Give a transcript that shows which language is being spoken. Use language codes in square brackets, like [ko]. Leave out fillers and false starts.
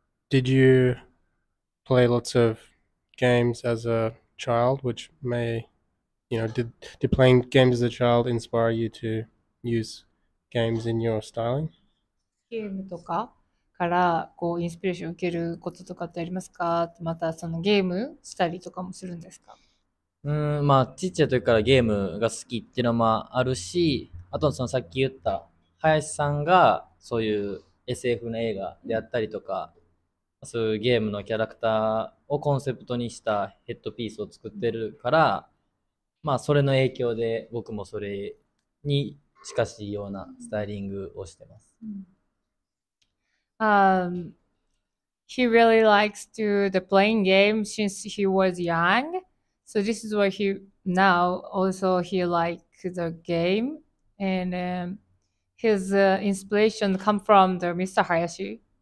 [en] Did you play lots of games as a child, which may, you know, did playing games as a child inspire you to use games in your styling? [ja] Game とかからこうインスピレーションを受けることとかってありますか？またそのゲームしたりとかもするんですか？まあちっちゃい時からゲームが好きっていうのもあるし、あとそのさっき言った林さんがそういう SF の映画であったりとか、そういうゲームのキャラクターをコンセプトにしたヘッドピースを作ってるから、まあそれの影響で僕もそれに近しいようなスタイリングをしてます。 [en] He really likes to the playing game since he was young. So this is why he now also he likes the game. And his inspiration come from the Mr. Hayashi.